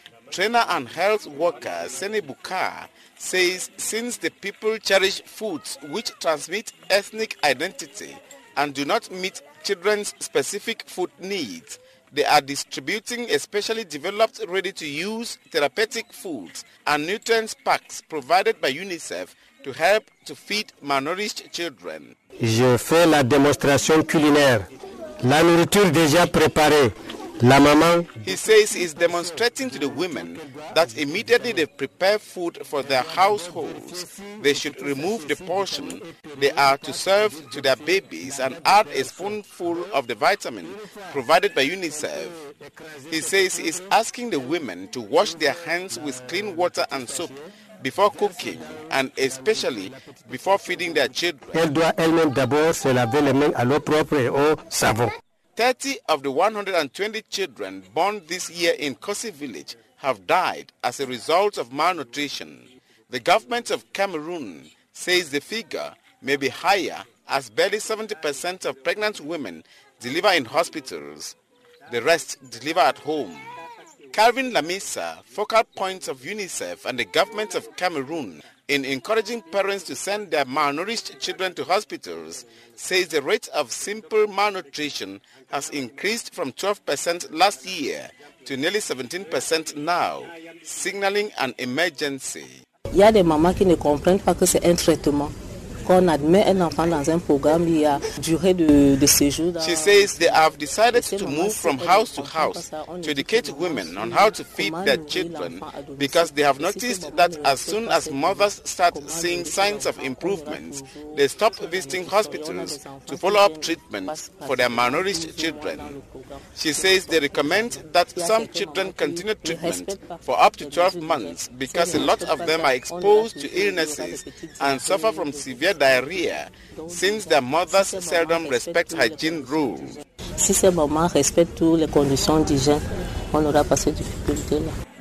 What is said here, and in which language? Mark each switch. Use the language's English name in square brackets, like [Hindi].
[English] Trainer and health worker Sene Buka says since the people cherish foods which transmit ethnic identity and do not meet children's specific food needs, they are distributing especially developed ready-to-use therapeutic foods and nutrients packs provided by UNICEF to help to feed malnourished children. [French] Je fais la démonstration culinaire, la nourriture déjà préparée. La maman. [English] He says he's demonstrating to the women that immediately they prepare food for their households, they should remove the portion they are to serve to their babies and add a spoonful of the vitamin provided by UNICEF. He says he's asking the women to wash their hands with clean water and soap before cooking and especially before feeding their children. [French] Elle doit elle-même d'abord se laver les mains à l'eau propre et au savon. [English] 30 of the 120 children born this year in Kossi village have died as a result of malnutrition. The government of Cameroon says the figure may be higher as barely 70% of pregnant women deliver in hospitals. The rest deliver at home. Calvin Lamisa, focal point of UNICEF and the government of Cameroon in encouraging parents to send their malnourished children to hospitals, says the rate of simple malnutrition has increased from 12% last year to nearly 17% now, signaling an emergency. [French] Il y a des mamans qui ne comprennent pas que c'est un traitement. Qu'on admet un enfant dans un programme, il y a durée de séjour. [English] She says they have decided to move from house to house to educate women on how to feed their children because they have noticed that as soon as mothers start seeing signs of improvements, they stop visiting hospitals to follow up treatment for their malnourished children. She says they recommend that some children continue treatment for up to 12 months because a lot of them are exposed to illnesses and suffer from severe diarrhea since their mothers seldom respect hygiene rules. [French] Si ces mamans respectent toutes les conditions d'hygiène, on aura pas ces difficultés là.